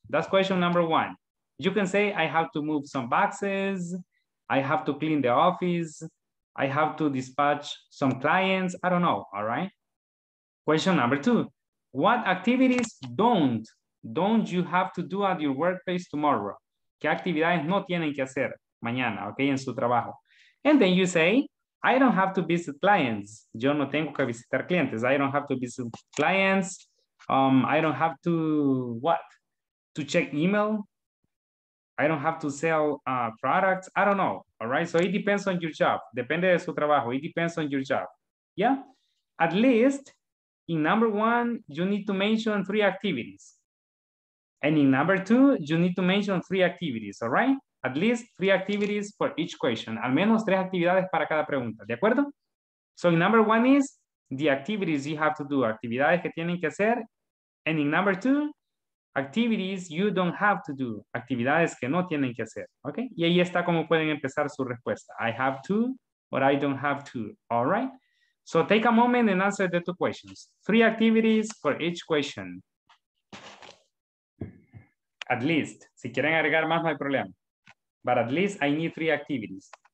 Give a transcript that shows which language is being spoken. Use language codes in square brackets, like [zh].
[en] That's question number 1. You can say, I have to move some boxes. I have to clean the office. I have to dispatch some clients. I don't know, all right? Question number 2. What activities don't you have to do at your workplace tomorrow? [es] ¿Qué actividades no tienen que hacer mañana, [en] okay, [es] en su trabajo? [en] And then you say, I don't have to visit clients. [es] Yo no tengo que visitar clientes. [en] I don't have to visit clients. I don't have to, what? To check email. I don't have to sell products. I don't know, all right? So it depends on your job. [es] Depende de su trabajo. [en] It depends on your job, yeah? At least, in number 1, you need to mention 3 activities. And in number 2, you need to mention 3 activities, all right? At least 3 activities for each question. [es] Al menos 3 actividades para cada pregunta, ¿de acuerdo? [en] So in number 1 is the activities you have to do, [es] actividades que tienen que hacer. [en] And in number 2, activities you don't have to do, [es] actividades que no tienen que hacer, [en] okay? [es] Y ahí está cómo pueden empezar su respuesta. [en] I have to, or I don't have to, all right? So take a moment and answer the 2 questions. 3 activities for each question. At least, [es] si quieren agregar más, no hay problema. [en] But at least I need 3 activities.